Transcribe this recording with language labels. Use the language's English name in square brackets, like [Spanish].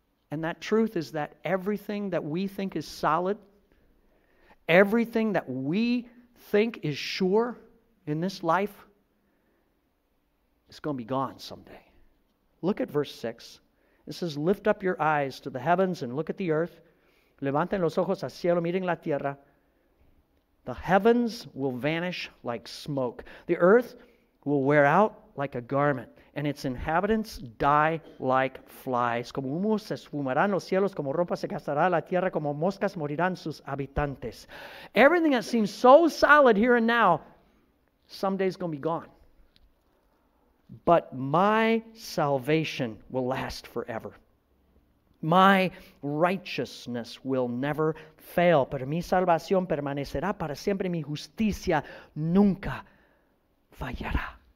[English] And that truth is that everything that we think is solid, everything that we think is sure in this life, is going to be gone someday. Look at verse 6. It says, lift up your eyes to the heavens and look at the earth. [Spanish] Levanten los ojos al cielo, miren la tierra. [English] The heavens will vanish like smoke. The earth will wear out like a garment, and its inhabitants die like flies. [Spanish] Como humo se esfumarán los cielos, como ropa se gastará la tierra, como moscas morirán sus habitantes. [English] Everything that seems so solid here and now, someday is going to be gone. But my salvation will last forever. My righteousness will never fail. [Spanish] Pero mi salvación permanecerá para siempre. Mi justicia nunca fallará.